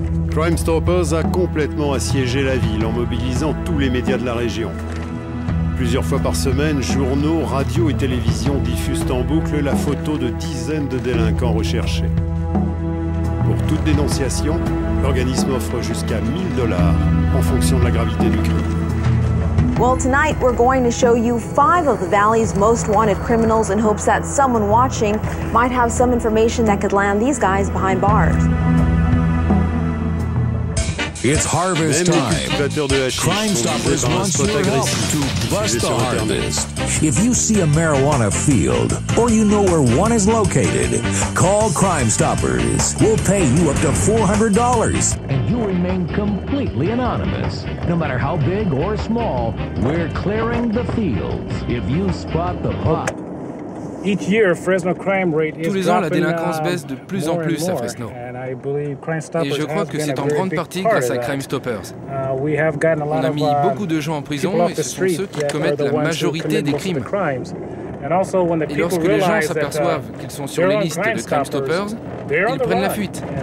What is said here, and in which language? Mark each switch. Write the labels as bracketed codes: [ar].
[fr] Crime Stoppers a complètement assiégé la ville en mobilisant tous les médias de la région. Plusieurs fois par semaine, journaux, radios et télévisions diffusent en boucle la photo de dizaines de délinquants recherchés. Pour toute dénonciation, l'organisme offre jusqu'à 1000 dollars en fonction de la gravité du crime. [en] Well, tonight we're going to show you five of the valley's most wanted criminals in hopes that someone watching might have some information that could land these guys behind bars. It's harvest time. Crime Stoppers wants your help to bust the harvest. If you see a marijuana field or you know where one is located, call Crime Stoppers. We'll pay you up to $400. And you remain completely anonymous. No matter how big or small, we're clearing the fields. If you spot the pot. Each year, Fresno crime rate [fr] tous les ans, la délinquance baisse de plus en plus à Fresno. Et je crois que c'est en grande partie grâce à Crime Stoppers. On a mis beaucoup de gens en prison et ce sont ceux qui commettent la majorité des crimes. Et lorsque les gens s'aperçoivent qu'ils sont sur les listes de Crime Stoppers, ils prennent la fuite.